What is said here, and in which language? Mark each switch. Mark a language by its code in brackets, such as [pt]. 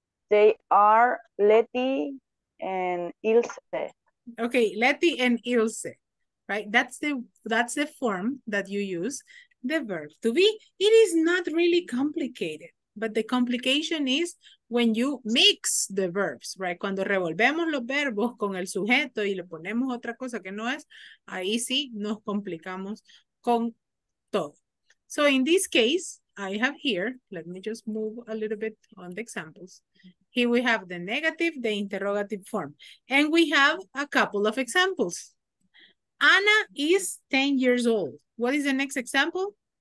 [en] They are Letty and Ilse. Okay, Letty and Ilse, right? That's the form that you use the verb to be. It is not really complicated, but the complication is when you mix the verbs, right? [es] Cuando revolvemos los verbos con el sujeto y le ponemos otra cosa que no es, ahí sí nos complicamos con todo. [en] So in this case, I have here, let me just move a little bit on the examples. Here we have the negative, the interrogative form. And we have a couple of examples. Anna is 10 years old. What is the next example?